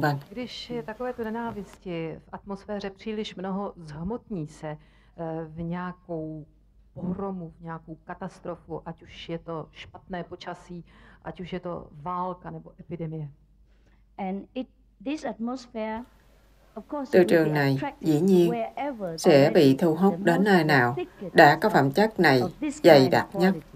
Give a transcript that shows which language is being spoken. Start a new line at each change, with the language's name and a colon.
Czech: Když je takovéto nenávisti v atmosféře příliš mnoho, zhmotní se v nějakou pohromu, v nějakou katastrofu, ať už je to špatné počasí, ať už je to válka nebo epidemie.
English: And it, this atmosphere, of course,
Vietnamese: từ trường này dĩ nhiên sẽ bị thu hút đến nơi nào đã có phẩm chất này dày đặc nhất.